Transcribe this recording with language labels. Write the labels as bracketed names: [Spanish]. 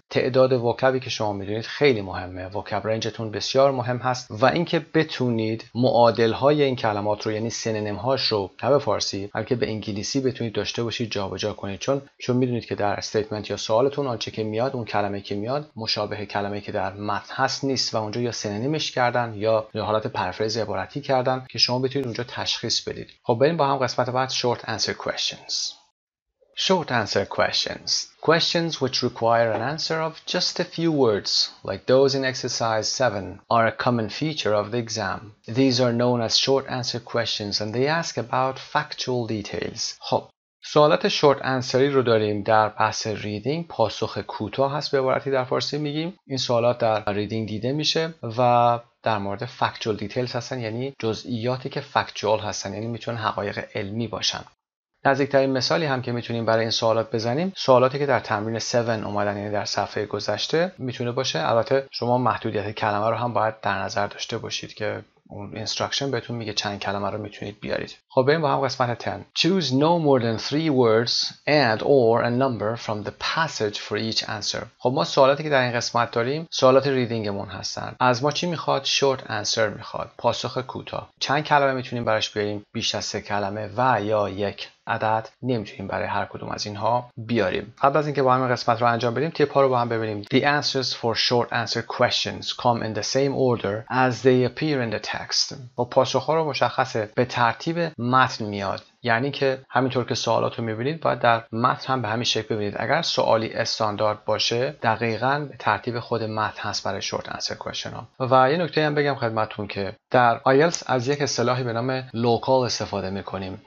[Persian] تعداد وکبی که شما میدونید خیلی مهمه، وکب رنجتون بسیار مهم هست، و اینکه بتونید معادل های این کلمات رو یعنی سینونیم هاش رو نه به فارسی بلکه به انگلیسی بتونید داشته باشید، جابجا کنید، چون میدونید که در استیتمنت یا سوالتون آنچه که میاد اون کلمه که میاد مشابه کلمه که در متن هست نیست، و اونجا یا سینونیمش کردن یا حالت پرفریز عبارتی کردن که شما بتونید اونجا تشخیص بدید. خب بریم با هم قسمت بعد، [English] Short answer questions. Short answer questions. Questions which require an answer of just a few words, like those in exercise 7, are a common feature of the exam. These are known as short answer questions and they ask about factual details. [Persian] خب، سوالات شورت انسری رو داریم در بحث ریدینگ، پاسخ کوتاه هست به عبارتی در فارسی میگیم. این سوالات در ریدینگ دیده میشه و در مورد فکتوال دیتیلز هستن، یعنی جزئیاتی که فکتوال هستن، یعنی میتونن حقایق علمی باشن. نزدیکترین مثالی هم که میتونیم برای این سوالات بزنیم، سوالاتی که در تمرین 7 اومدن، یعنی در صفحه گذشته میتونه باشه. البته شما محدودیت کلمه رو هم باید در نظر داشته باشید که اون اینستراکشن بهتون میگه چند کلمه رو میتونید بیارید. خب بریم با هم قسمت 10. [English] Choose no more than 3 words and or a number from the passage for each answer. [Persian] خب ما سوالاتی که در این قسمت داریم سوالات ریدینگمون هستن. از ما چی میخواد؟ شورت انسر میخواد، پاسخ کوتاه. چند کلمه میتونیم براش بیاریم؟ بیش از 3 کلمه و یا یک عدد نمیتونیم برای هر کدوم از اینها بیاریم. قبل از اینکه با هم قسمت رو انجام بدیم تیپ ها رو با هم ببینیم. [English] The answers for short answer questions come in the same order as they appear in the text. [Persian] و پاسخ ها رو مشخصه به ترتیب متن میاد، یعنی که همینطور که سوالات رو میبینید باید در متن هم به همین شکل ببینید. اگر سوالی استاندارد باشه دقیقاً به ترتیب خود متن هست برای شورت انسر کوشن ها. و یه نکته هم بگم خدمتون که در آیلتس از یک اصطلاحی به نام لوکال استفاده میکنیم.